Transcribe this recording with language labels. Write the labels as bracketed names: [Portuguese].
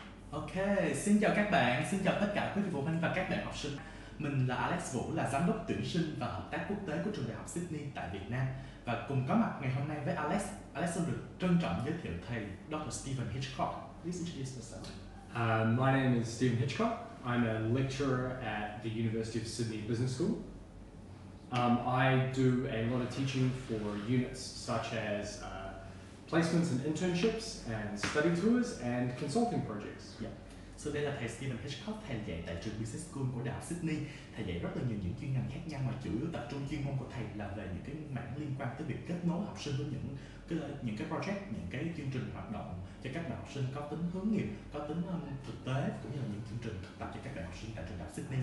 [Vietnamese] Ok, xin chào các bạn, xin chào tất cả quý vị phụ huynh và các bạn học sinh. Mình là Alex Vũ, là giám đốc tuyển sinh và hợp tác quốc tế của trường đại học Sydney tại Việt Nam. Và cùng có mặt ngày hôm nay với Alex, Alex xin được trân trọng giới thiệu thầy Dr. [English] Stephen Hitchcock. Please introduce yourself. My name is Stephen Hitchcock. I'm a lecturer at the University of Sydney Business School. I do a lot of teaching for units such as placements and internships and study tours and consulting projects. Yeah. [Vietnamese] So đây là thầy Stephen Hitchcock, thầy dạy tại trường Business School của Đại học Sydney. Thầy dạy rất là nhiều những chuyên ngành khác nhau mà chủ yếu tập trung chuyên môn của thầy là về những cái mảng liên quan tới việc kết nối học sinh với những cái project, những cái chương trình hoạt động cho các bạn học sinh có tính hướng nghiệp, có tính thực tế cũng như là những chương trình thực tập cho các bạn học sinh tại trường Đại học Sydney.